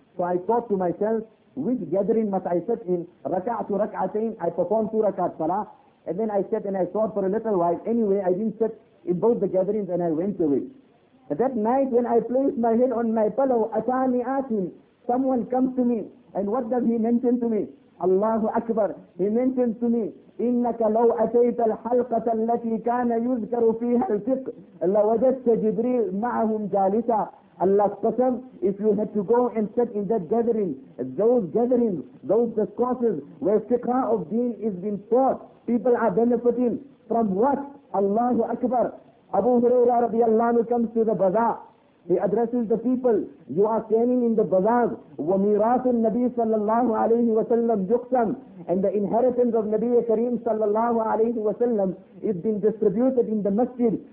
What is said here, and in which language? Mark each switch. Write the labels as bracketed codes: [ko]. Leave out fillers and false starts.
[en] So I thought to myself, which gathering must I sit in? [ar] Raka'atu rak'atayn, [en] I performed 2 rak'at salah, and then I sat and I thought for a little while. Anyway, I didn't sit in both the gatherings and I went away. That night when I placed my head on my pillow, [ar] atani atin, [en] someone comes to me, and what does he mention to me? [ar] Allahu Akbar, [en] he mentions to me, [ar] إِنَّكَ لَوْ أَتَيْتَ الْحَلْقَةَ الَّتِي كَانَ يُذْكَرُ فِيهَا الْفِقْهُ لَوَجَدْتَ جِبْرِيلَ مَعَهُمْ جَالِسًا. [en] Allah's Qasam, if you had to go and sit in that gathering, those discourses where fiqh of deen is being taught, people are benefiting from what? Allahu Akbar. Abu Huraira radiallahu anhu comes to the bazaar. He addresses the people, you are standing in the bazaar, [ar] وَمِيرَاثُ النَّبِيِّ [en] sallallahu alayhi wa sallam [ar] yuqsam, [en] and the inheritance of Nabi Kareem sallallahu alayhi wa sallam is being distributed in the masjid.